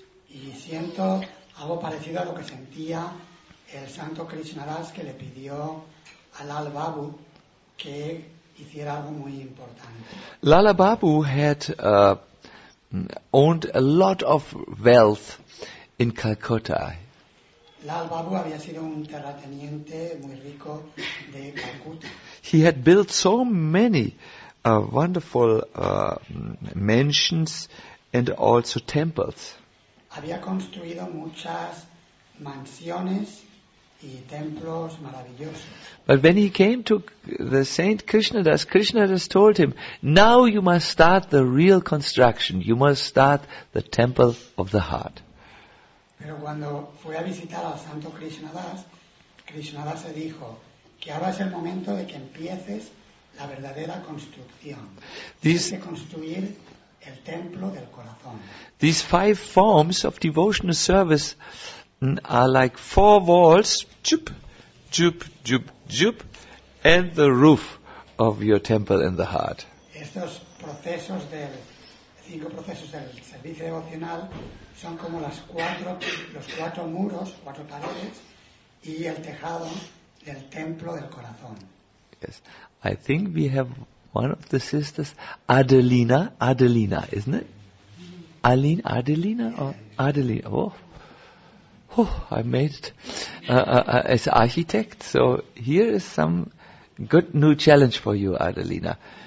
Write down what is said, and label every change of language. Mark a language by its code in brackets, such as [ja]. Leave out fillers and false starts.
[es] Y siento algo parecido a lo que sentía el santo Krishnadas que le pidió a Lala Babu que hiciera algo muy importante. [en] Lala Babu had owned a lot of wealth in Calcutta. [es] Lal Babu había sido un terrateniente muy rico de Calcuta. [en] He had built so many wonderful mansions and also temples. [es] Había construido muchas mansiones y templos maravillosos. [en] But when he came to the Saint Krishnadas, Krishnadas told him, "Now you must start the real construction. You must start the temple of the heart." [es] Pero cuando fue a visitar al santo Krishnadas, Krishnadas se dijo que ahora es el momento de que empieces la verdadera construcción. Tienes que construir el templo del corazón. [en] These five forms of devotional service are like four walls, chup, chup, chup, chup, and the roof of your temple in the heart. [es] Estos procesos del cinco procesos del servicio devocional son como los cuatro muros, cuatro paredes y el tejado del templo del corazón. [en] Yes, I think we have one of the sisters, Adelina. Adelina, isn't it? Aline, Adelina, or Adelina? Oh, I made it as architect. So here is some good new challenge for you, Adelina.